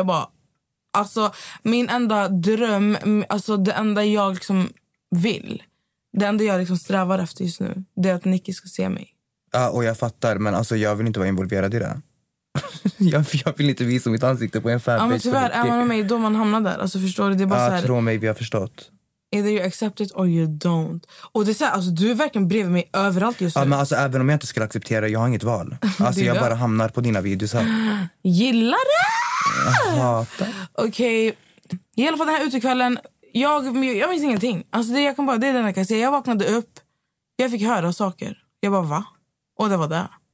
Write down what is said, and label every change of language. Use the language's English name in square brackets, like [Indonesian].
[Swedish] Jag bara, alltså min enda dröm, alltså det enda jag liksom vill, det enda jag liksom strävar efter just nu, det är att Nicki ska se mig. Ja, och jag fattar, men alltså jag vill inte vara involverad i det. Jag vill inte visa mitt ansikte på en fanpage. Ja, men tyvärr, är man med mig då man hamnar där. Alltså förstår du, det är bara såhär, tro mig, vi har förstått. [English] Either you accept it or you don't. [Swedish] Och det är såhär, alltså du är verkligen bredvid mig överallt just nu. Ja, men alltså även om jag inte skulle acceptera, jag har inget val. Alltså jag bara hamnar på dina videos här. Gillar det? Hata. Okej, okay. I alla fall den här utekvällen, jag minns ingenting. Alltså det jag kan bara, det är den här kan jag säga. Jag vaknade upp, jag fick höra saker. Jag bara, va? Och det var det.